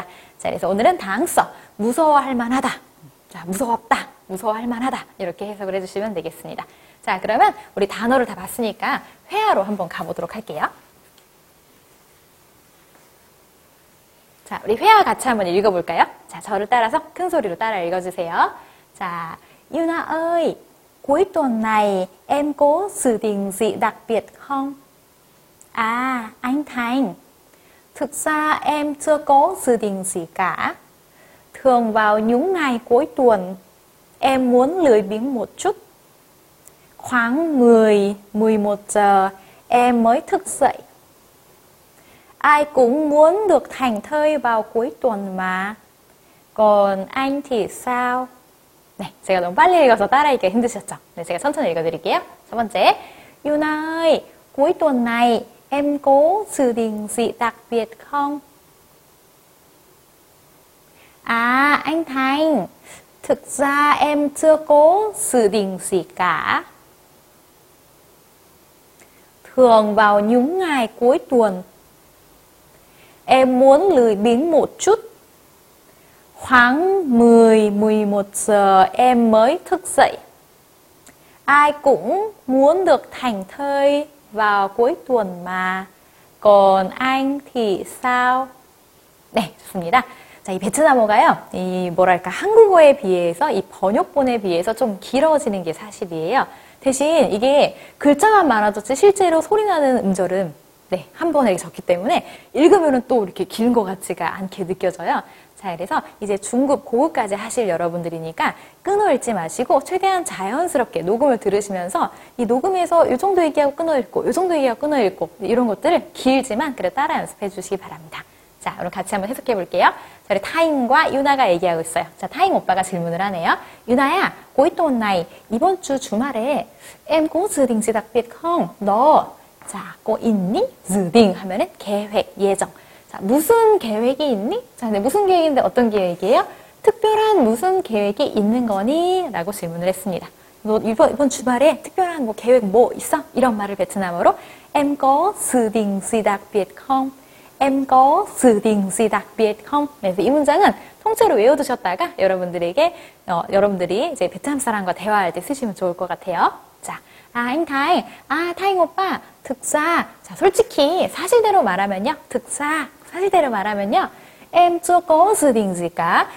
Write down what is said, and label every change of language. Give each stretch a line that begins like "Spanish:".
Korean: 자, 그래서 오늘은 당서 무서워할 만하다. 자, 무서웠다. 무서워할 만하다. 이렇게 해석을 해주시면 되겠습니다. 자, 그러면 우리 단어를 다 봤으니까 회화로 한번 가보도록 할게요. 자, 우리 회화 같이 한번 읽어볼까요? 자, 저를 따라서 큰 소리로 따라 읽어주세요.
Vietnamese: 자, 유나 ơi, cuối tuần này em có dự định gì đặc biệt không? 아, anh Thành, thực ra em chưa có dự định gì cả. Thường vào những ngày cuối tuần, em muốn lười biếng một chút. Khoảng 10, 11 giờ em mới thức dậy. Ai cũng muốn được thảnh thơi vào cuối tuần mà. Còn anh thì sao?
Korean: 네, 제가 너무 빨리 읽어서 따라 읽기가 힘드셨죠? 네, 제가 천천히 읽어드릴게요. 첫 번째,
Vietnamese: 유나 ơi, cuối tuần này em có dự định gì đặc biệt không? 아, anh Thành, thực ra em chưa có dự định gì cả. Thường vào những ngày cuối tuần, em muốn lười biếng một chút. khoảng 10, 11 giờ em mới thức dậy. Ai cũng muốn được thảnh thơi vào cuối tuần mà. Còn anh thì sao?
Korean: 네, 좋습니다. 자, 이 베트남어가요, 이 뭐랄까 한국어에 비해서 이 번역본에 비해서 좀 길어지는 게 사실이에요. 대신 이게 글자만 많아졌지 실제로 소리나는 음절은 네, 한 번에 적기 때문에 읽으면 또 이렇게 긴 것 같지가 않게 느껴져요. 자, 그래서 이제 중급, 고급까지 하실 여러분들이니까 끊어 읽지 마시고 최대한 자연스럽게 녹음을 들으시면서 이 녹음에서 이 정도 얘기하고 끊어 읽고 이 정도 얘기하고 끊어 읽고 이런 것들을 길지만 그래 따라 연습해 주시기 바랍니다. 자, 오늘 같이 한번 해석해 볼게요. 자, 우리 타잉과 유나가 얘기하고 있어요. 자, 타잉 오빠가 질문을 하네요. 유나야, 고이토 온나이, 이번 주 주말에 엠 고스 딩지닥빛컹, 너 자고 있니? 즈딩 하면은 계획, 예정. 자, 무슨 계획이 있니? 자, 근데 무슨 계획인데 어떤 계획이에요? 특별한 무슨 계획이 있는 거니? 라고 질문을 했습니다. 너 이번 주말에 특별한 뭐 계획 뭐 있어? 이런 말을 베트남어로 엠 고스 딩지닥빛컹
Vietnamese: em có dự định gì đặc biệt không?
Korean: 네, 이 문장은 통째로 외워두셨다가 여러분들에게 여러분들이 이제 베트남 사람과 대화할 때 쓰시면 좋을 것 같아요. 자, 아, 잉 타잉, 아, 타잉 오빠, 특사. 자, 솔직히 사실대로 말하면요, 특사, 사실대로 말하면요, em 쪼고
Vietnamese: dự định gì
Korean: 가.